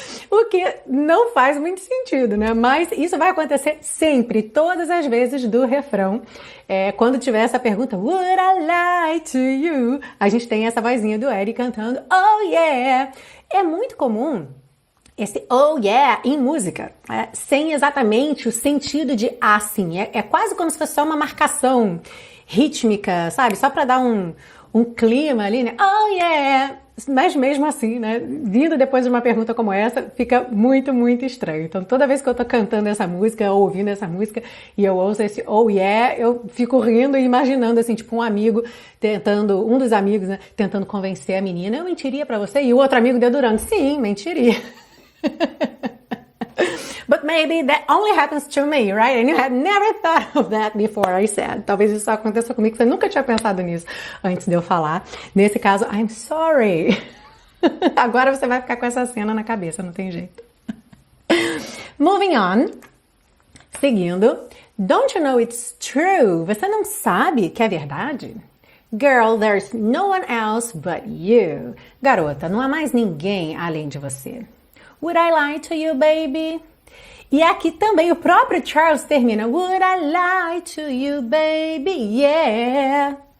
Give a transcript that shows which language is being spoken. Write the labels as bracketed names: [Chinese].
[Portuguese] O que não faz muito sentido, né? Mas isso vai acontecer sempre, todas as vezes do refrão. É, quando tiver essa pergunta, [English] would I lie to you? [Portuguese] A gente tem essa vozinha do Eric cantando, oh yeah! É muito comum esse oh yeah em música, é, sem exatamente o sentido de assim. É quase como se fosse só uma marcação rítmica, sabe? Só para dar um clima ali, né? Oh yeah! Mas mesmo assim, né, vindo depois de uma pergunta como essa, fica muito, muito estranho. Então, toda vez que eu tô cantando essa música, ou ouvindo essa música, e eu ouço esse oh yeah, eu fico rindo e imaginando, assim, tipo, um amigo tentando, um dos amigos, né, tentando convencer a menina, eu mentiria pra você, e o outro amigo dedurando, sim, mentiria. [English] But maybe that only happens to me, right? And you had never thought of that before I said. [Portuguese] Talvez isso aconteça comigo, que você nunca tinha pensado nisso antes de eu falar. Nesse caso, [English] I'm sorry. [Portuguese] Agora você vai ficar com essa cena na cabeça, não tem jeito. [English] Moving on. [Portuguese] Seguindo. [English] Don't you know it's true? [Portuguese] Você não sabe que é verdade? [English] Girl, there's no one else but you. [Portuguese] Garota, não há mais ninguém além de você. [English] Would I lie to you, baby? [Portuguese] E aqui também o próprio Charles termina. [English] Would I lie to you, baby? Yeah.